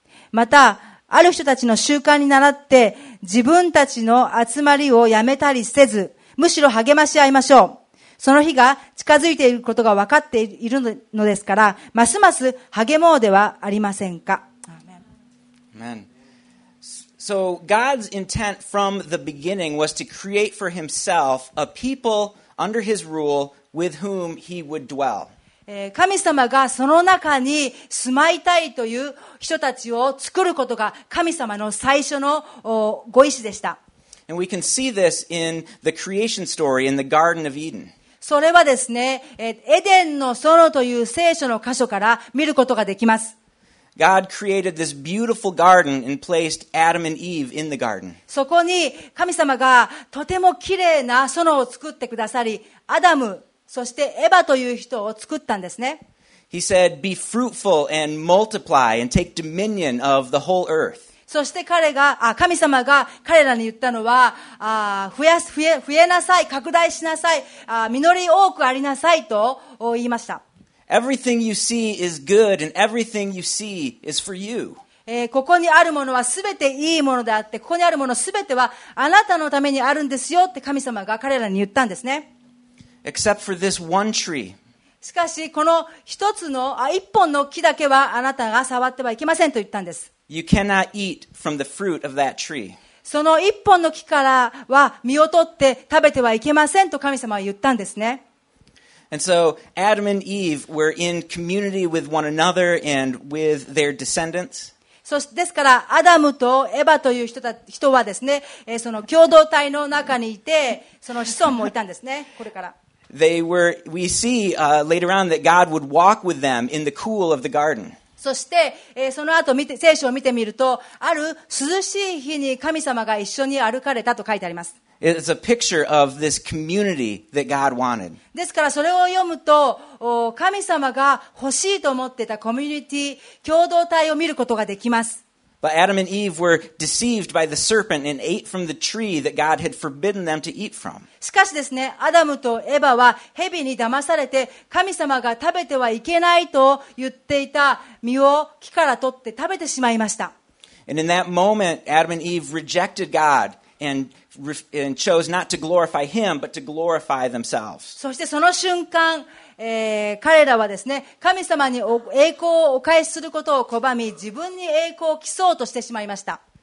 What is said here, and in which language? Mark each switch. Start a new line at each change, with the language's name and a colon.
Japanese: またある人たちの習慣に倣って自分たちの集まりをやめたりせず、むしろ励まし合いましょう。その日が近づいていることが分かっているのですから、ますます励もうではありませんか。
English: Amen. So God's intent from the beginning was to create for himself a people under his rule with whom he would dwell.
Japanese: 神様がその中に住まいたいという人たちを作ることが神様の最初のご意志でした。
English: And we can see this in the creation story in the Garden of Eden.
Japanese: それはですね、エデンの園という聖書の箇所から見ることができます。
English: God created this beautiful garden and placed Adam and Eve in the garden.
Japanese: そこに神様がとても綺麗な園を作ってくださり、アダム、そしてエバという人を作ったんですね。
English: He said, "Be fruitful and multiply and take dominion of the whole earth."
Japanese: そして神様が彼らに言ったのは、増えなさい、拡大しなさい、実り多くありなさいと言いました。
English: Everything you see is good and everything you see is for you.
Japanese: ここにあるものはすべていいものであって、ここにあるものすべてはあなたのためにあるんですよって神様が彼らに言ったんですね。
English: Except for this one tree.
Japanese: しかしこの一つの一本の木だけはあなたが触ってはいけませんと言ったんです。
English: You cannot eat from the fruit of that tree.
Japanese: その一本の木からは実を取って食べてはいけませんと神様は言ったんですね。
English: And so Adam and Eve were in community with one another and with their descendants.
Japanese: そしてですからアダムとエバという人はですね、その共同体の中にいて、その子孫もいたんですね。これから。
English: They were, we see, later on that God would walk with them in the cool of the garden.
Japanese: そして、その後見て聖書を見てみると、ある涼しい日に神様が一緒に歩かれたと書いてあります。
English: It's a picture of this community that God wanted.
Japanese: ですからそれを読むと、神様が欲しいと思ってたコミュニティ、共同体を見ることができます。
English: But Adam and Eve were deceived by the serpent and ate from the tree that God had forbidden them to eat from.
Japanese: しかしですね、アダムとエバは蛇に騙されて、神様が食べてはいけないと言っていた実を木から取って食べてしまいました。
English: And in that moment, Adam and Eve rejected God. And chose not to glorify him, but to glorify themselves.
Japanese: そしてその瞬間、彼らはですね、神様に栄光をお返しすることを拒み、自分に栄光を競そうとしてしまいました。